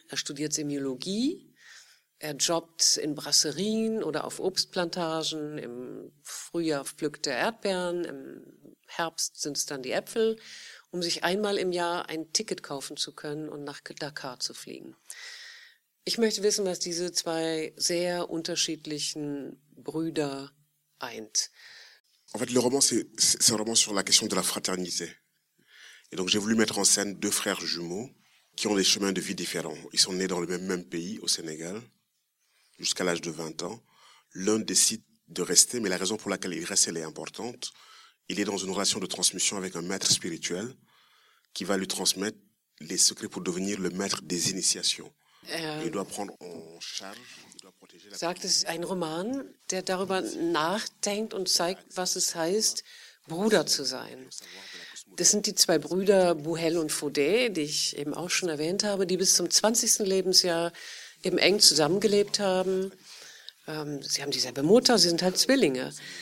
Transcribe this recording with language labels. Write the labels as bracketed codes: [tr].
[de] Er studiert Semiologie. Er jobbt in Brasserien oder auf Obstplantagen, im Frühjahr pflückt er Erdbeeren, im Herbst sind es dann die Äpfel, um sich einmal im Jahr ein Ticket kaufen zu können und nach Dakar zu fliegen. Ich möchte wissen, was diese zwei sehr unterschiedlichen Brüder eint. [fr] En fait, le roman, c'est un roman sur la question de la fraternité. Et donc, j'ai voulu mettre en scène deux frères jumeaux qui ont des chemins de vie différents. Ils sont nés dans le même pays, au Sénégal. Jusqu'à l'âge de 20 ans, l'un décide de rester, mais la raison pour laquelle il reste, elle est importante. Il est dans une relation de transmission avec un maître spirituel qui va lui transmettre les secrets pour devenir le maître des initiations. Il doit prendre en charge, il doit protéger la [de] sagt, es ist ein Roman, der darüber nachdenkt und zeigt, was es heißt, Bruder zu sein. Das sind die zwei Brüder, Bouhel und Faudé, die ich eben auch schon erwähnt habe, die bis zum 20. Lebensjahr eben eng zusammengelebt haben. Sie haben dieselbe Mutter, sie sind halt Zwillinge.